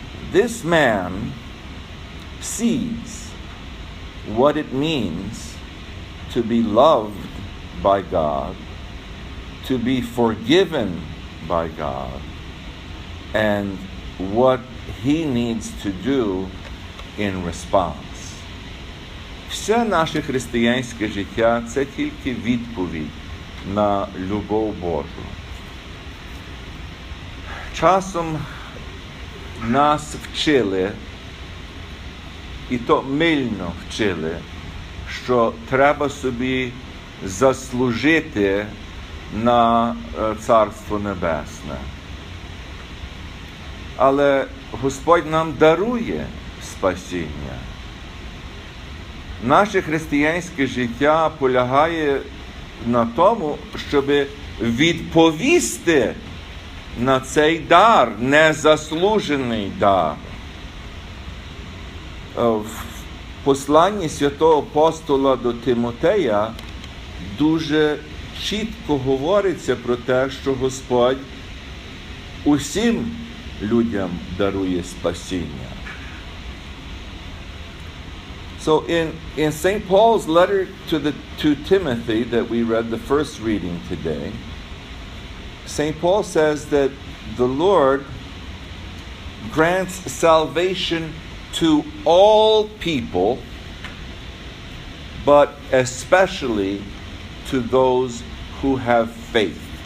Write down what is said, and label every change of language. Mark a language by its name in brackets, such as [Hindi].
[English] This man sees what it means to be loved by God, to be forgiven by God, and what he needs to do in response. [Ukrainian] Все наше християнське життя – це тільки відповідь на любов Божу. Часом нас вчили, і то мильно вчили, що треба собі заслужити на Царство Небесне. Але Господь нам дарує спасіння. Наше християнське життя полягає на тому, щоб відповісти на цей дар, незаслужений дар. В посланні святого апостола до Тимотея дуже чітко говориться про те, що Господь усім людям дарує спасіння. [English] So in St. Paul's letter to Timothy that we read the first reading today, St. Paul says that the Lord grants salvation to all people, but especially to those who have faith.